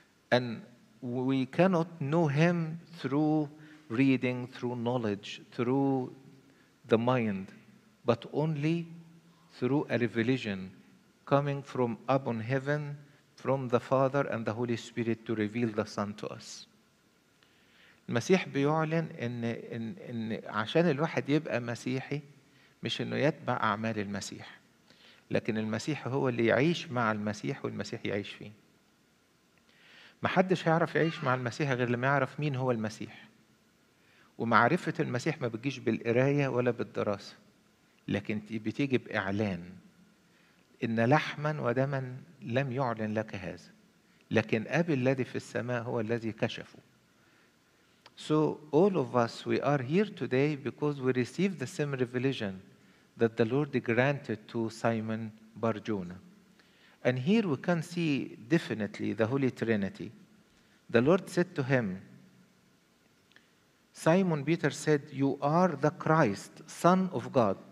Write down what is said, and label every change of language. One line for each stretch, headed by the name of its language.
English: And we cannot know him through reading, through knowledge, through the mind, but only through a revelation coming from up on heaven, from the Father and the Holy Spirit to reveal the Son to us.
Arabic: المسيح بيعلن إن عشان الواحد يبقى مسيحي مش إنه يتبع أعمال المسيح. لكن المسيح هو اللي يعيش مع المسيح والمسيح يعيش فيه. محدش هيعرف يعيش مع المسيح غير لما يعرف مين هو المسيح. ومعرفة المسيح ما بتجيش بالقراية ولا بالدراسة، لكن بتيجي بإعلان. إن لحما ودما لم يعلن لك هذا، لكن أبي الذي في السماء هو الذي كشفه.
English: So all of us we are here today because we receive the same revelation that the Lord granted to Simon Barjuna. And here we can see definitely the Holy Trinity. The Lord said to him, Simon Peter said, you are the Christ, Son of God.